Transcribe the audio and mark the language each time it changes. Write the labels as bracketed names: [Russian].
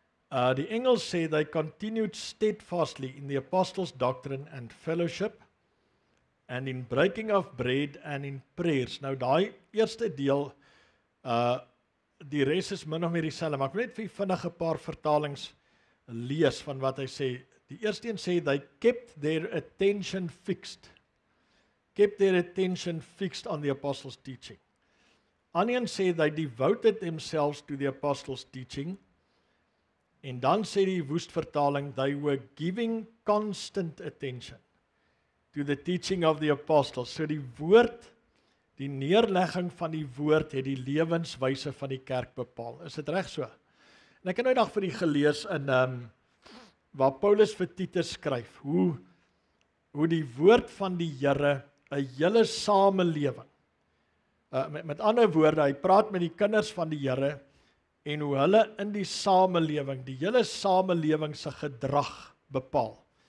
[Afrikaans] Die Engels sê, [English] they continued steadfastly in the apostles' doctrine and fellowship, and in breaking of bread and in prayers. [Afrikaans] Nou, die eerste deel, die rest is min of meer dieselfde, maar ek wil net vir jy vinnig 'n paar vertalings lees van wat hy sê. Die eerste een sê, [English] they kept their attention fixed. Kept their attention fixed on the apostles' teaching. Onion sê, they devoted themselves to the apostles' teaching. [Afrikaans] En dan sê die Woest vertaling, [English] they were giving constant attention to the teaching of the apostles. [Afrikaans] So die woord, die neerlegging van die woord, het die lewenswyse van die kerk bepaal. Is dit reg so? En ek het nou dag vir die gelees in, waar Paulus vir Titus skryf, hoe die woord van die Here, 'n hele samelewing, met ander woorde, hy praat met die kinders van die Here, en hoe hulle in die samelewing, die hele samelewing se gedrag bepaal.